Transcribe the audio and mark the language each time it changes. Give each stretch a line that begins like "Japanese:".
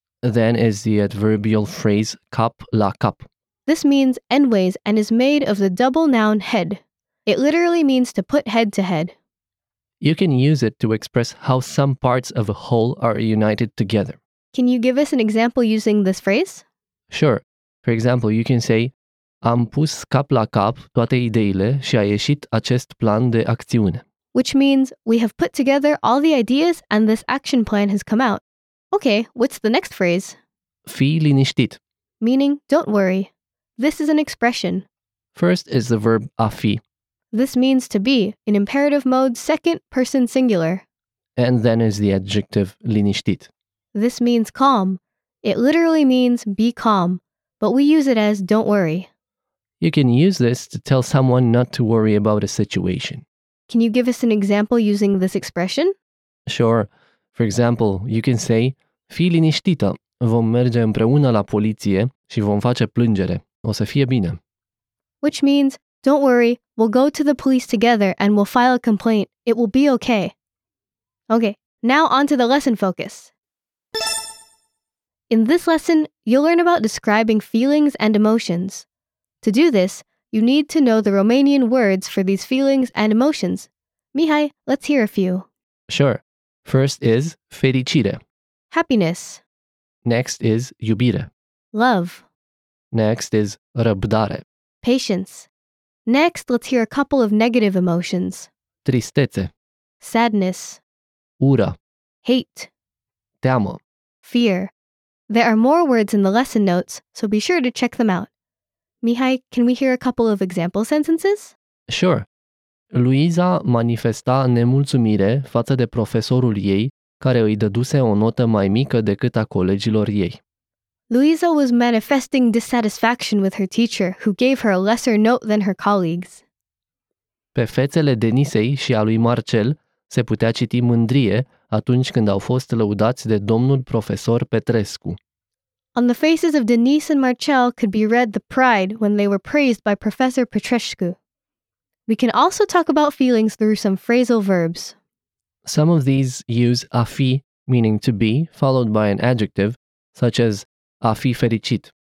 English: Then is the adverbial phrase cap la cap. This means endways and is made of the double noun head. It literally means to put head to head. You can use it to express how some parts of a whole are united together. Can you give us an example using this phrase? Sure. For example, you can say,
Romanian: am pus cap la cap toate ideile și a ieșit acest plan de acțiune.
English: Which means, we have put together all the ideas and this action plan has come out. Okay, what's the next phrase?
Romanian: Fii liniștit.
English: Meaning, don't worry. This is an expression. First is the verb a fi. This means to be, in imperative mode, second person singular. And then is the adjective liniștit. This means calm. It literally means be calm, but we use it as don't worry. You can use this to tell someone not to worry about a situation. Can you give us an example using this expression? Sure. For example, you can say,
Romanian: fii liniștită, vom merge împreună la poliție și vom face plângere. O să fie bine.
English: Which means, don't worry, we'll go to the police together and we'll file a complaint. It will be okay. Okay, now on to the lesson focus. In this lesson, you'll learn about describing feelings and emotions. To do this, you need to know the Romanian words for these feelings and emotions. Mihai, let's hear a few. Sure. First is fericire. Happiness. Next is iubire. Love. Next is răbdare. Patience. Next, let's hear a couple of negative emotions.
Romanian: Tristețe.
English: Sadness.
Romanian: Ură.
English: Hate.
Romanian: Teamă.
English: Fear. There are more words in the lesson notes, so be sure to check them out. Mihai, can we hear a couple of example sentences? Sure.
Romanian: Luiza manifesta nemulțumire față de profesorul ei, care îi dăduse o notă mai mică decât a colegilor ei.
English: Luiza was manifesting dissatisfaction with her teacher, who gave her a lesser note than her colleagues.
Romanian: Pe fețele Denisei și a lui Marcel se putea citi mândrie atunci când au fost lăudați de domnul profesor Petrescu.
English: On the faces of Denise and Marcel could be read the pride when they were praised by Professor Petrescu. We can also talk about feelings through some phrasal verbs. Some of these use a fi, meaning to be, followed by an adjective, such as a fi fericit.